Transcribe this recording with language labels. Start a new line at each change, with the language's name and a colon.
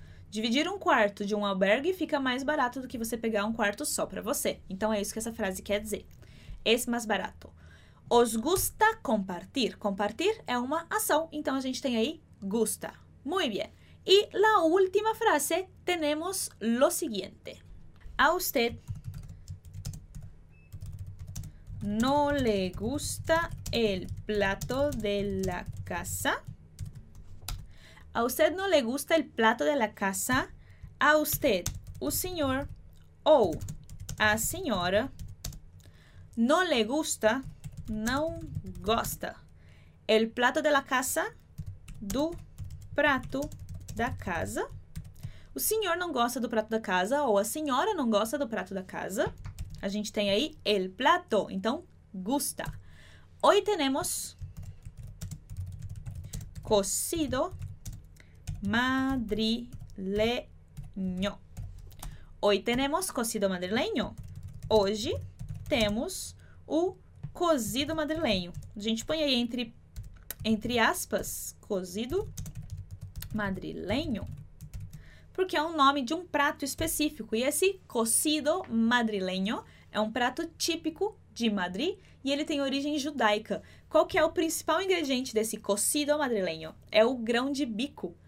Portuguese: Dividir um quarto de um albergue fica mais barato do que você pegar um quarto só para você. Então, é isso que essa frase quer dizer.
Spanish: Es más barato. Os gusta compartir.
Portuguese: Compartir é uma ação. Então, a gente tem aí gusta.
Spanish: Muy bien.
Portuguese: E na última frase, temos lo seguinte.
Spanish: A usted no le gusta el plato de la casa. A usted no le gusta el plato de la casa. A usted,
Portuguese: o senhor, ou a senhora,
Spanish: no le gusta,
Portuguese: não gosta,
Spanish: el plato de la casa,
Portuguese: do prato da casa. O senhor não gosta do prato da casa, ou a senhora não gosta do prato da casa. A gente tem aí el plato, então gusta.
Spanish: Hoy tenemos cocido madrileño. Hoy tenemos cocido madrileño.
Portuguese: Hoje temos o cozido madrileño. A gente põe aí entre aspas, cozido madrileño, porque é um nome de um prato específico. E esse cocido madrileño é um prato típico de Madrid e ele tem origem judaica. Qual que é o principal ingrediente desse cocido madrileño? É o grão de bico.